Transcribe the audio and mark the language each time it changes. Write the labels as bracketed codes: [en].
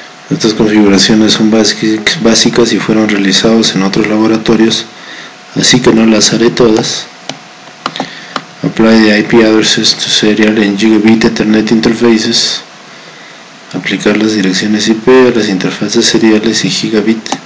[es] Estas configuraciones son básicas y fueron realizadas en otros laboratorios, así que no las haré todas. [en] Apply the IP addresses to serial and gigabit Ethernet interfaces. [es] Aplicar las direcciones IP a las interfaces seriales y gigabit.